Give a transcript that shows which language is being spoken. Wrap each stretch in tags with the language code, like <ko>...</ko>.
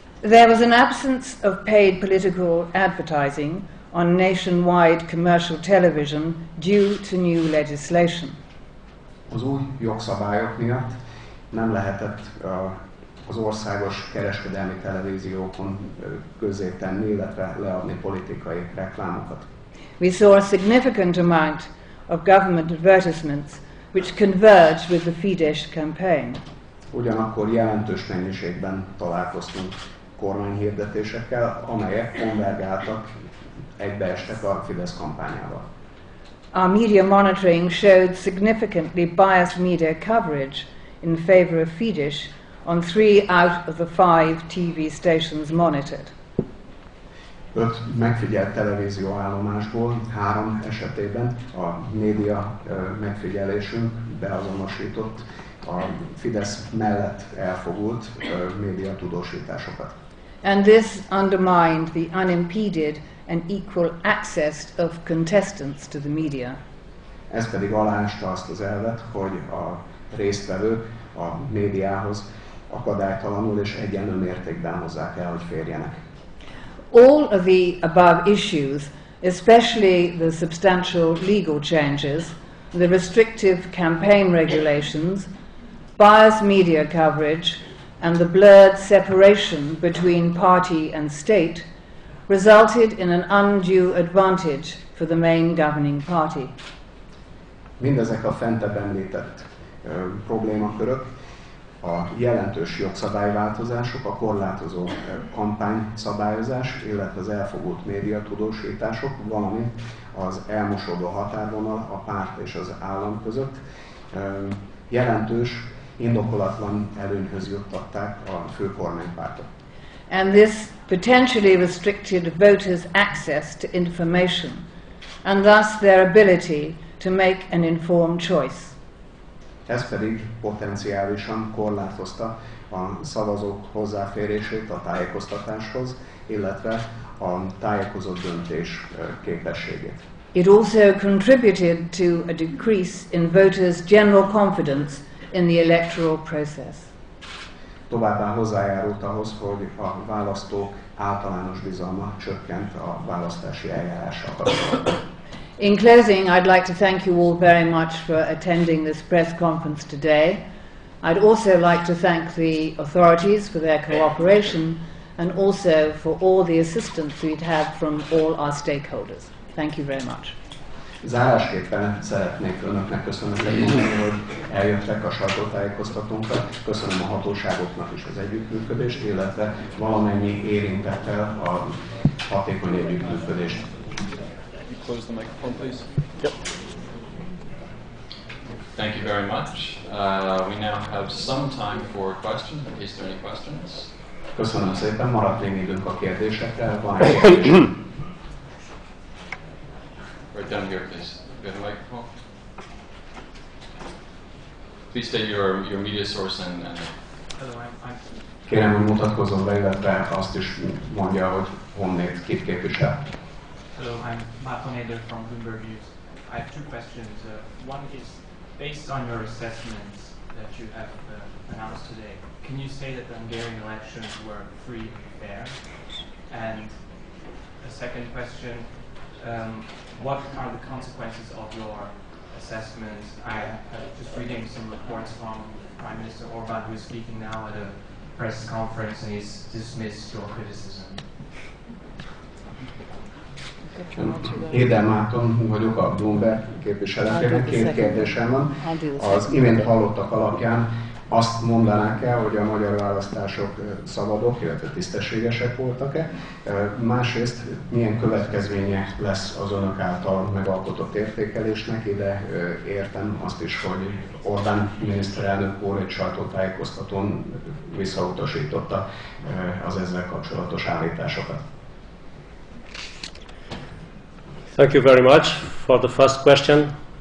<en>There was an absence of paid political advertising on nationwide commercial television due to new legislation.</en> <hu>Az új jogszabályok miatt nem lehetett az országos kereskedelmi televíziókon közzétenni, illetve leadni politikai reklámokat.</hu> <en>We saw a significant amount of government advertisements which converged with the Fidesz campaign.</en> <hu>Ugyanakkor jelentős mennyiségben találkoztunk kormányhirdetésekkel, amelyek konvergáltak, egybeestek a Fidesz kampányával.</hu> <en>Our media monitoring showed significantly biased media coverage in favor of Fidesz on 3 out of the 5 TV stations monitored.</en> <hu>5 megfigyelt televízió állomásból 3 esetében a média megfigyelésünk beazonosított a Fidesz mellett elfogult média tudósításokat.</hu> <en>And this undermined the unimpeded and equal access of contestants to the media.</en> <hu>Ez pedig aláásta azt az elvet, hogy a résztvevők a médiához akadálytalanul és egyenlő mértékben hozzák el, hogy férjenek.</hu> <en>All of the above issues, especially the substantial legal changes, the restrictive campaign regulations, biased media coverage, and the blurred separation between party and state resulted in an undue advantage for the main governing party.</en> <hu>Mindezek a fentebb említett problémakörök, a jelentős jogszabályváltozások, a korlátozó kampányszabályozás, illetve az elfogult médiatudósítások, valamint az elmosódó határvonal a párt és az állam között jelentős, indokolatlan előnyhöz juttatták a főkormánypártot.</hu> <en>And this potentially restricted voters' access to information, and thus their ability to make an informed choice.</en> <hu>Ez pedig potenciálisan korlátozta a szavazók hozzáférését a tájékoztatáshoz, illetve a tájékozott döntés képességét.</hu> <en>It also contributed to a decrease in voters' general confidence in the electoral process.</en> <hu>Továbbá hozzájárult ahhoz, hogy a választók általános bizalma csökkent a választási eljárással kapcsolatban.</hu> <en>In closing, I'd like to thank you all very much for attending this press conference today. I'd also like to thank the authorities for their cooperation and also for all the assistance we'd had from all our stakeholders. Thank you very much.</en> <hu>Zárásképpen szeretnék önöknek köszönni, hogy eljöttek a sajtótájékoztatónkra. Köszönöm a hatóságoknak is az együttműködést, illetve valamennyi érintettel a hatékony együttműködést.</hu> <en>Close the microphone, please. Yep. Thank you very much. We now have some time for questions. Is there any questions?</en> <hu>Köszönöm szépen. Maradt még időnk a kérdésekre.</hu> <en>Right down here, please. You have a microphone. Please state your media source and.</en> <hu>Kérem, hogy mutatkozzon be, illetve azt is mondja, hogy honnét, kit képvisel.</hu> <en>Hello, I'm Marco Neder from Bloomberg News. I have two questions. One is, based on your assessments that you have announced today, can you say that the Hungarian elections were free and fair? And a second question, what are the consequences of your assessments? I am just reading some reports from Prime Minister Orban, who is speaking now at a press conference, and he's dismissed your criticism.</en> <hu>Éden Márton vagyok, a Bloomberg képviseletének. Két kérdésem van. Az imént hallottak alapján azt mondanák-e, hogy a magyar választások szabadok, illetve tisztességesek voltak-e? Másrészt, milyen következménye lesz az önök által megalkotott értékelésnek? Ide értem azt is, hogy Orbán miniszterelnök úr egy sajtótájékoztatón visszautasította az ezzel kapcsolatos állításokat.</hu> <en>Thank you very much for the first question.</en>